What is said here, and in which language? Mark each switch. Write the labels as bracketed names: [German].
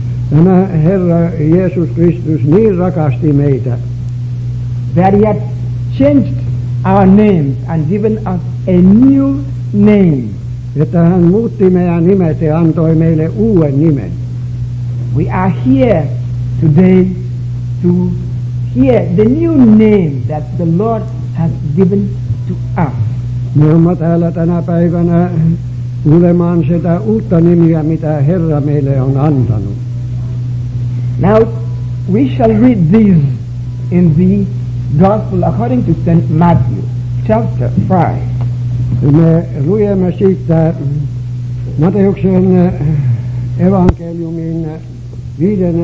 [Finnish] Tämä Herra Jeesus Kristus niin rakasti meitä, [English] that He had changed our names and given us a new name. [Finnish] Että hän muutti meidän nimet ja antoi meille uuden nimen. [English] We are here today to hear the new name that the Lord has given to us. [Finnish] Me olemme täällä tänä päivänä kuulemaan sitä uutta nimiä, mitä Herra meille on antanut. [English] Now, we shall read these in the Gospel according to St. Matthew, chapter 5. [Finnish] Me luemme siitä Matteuksen evankeliumin 5.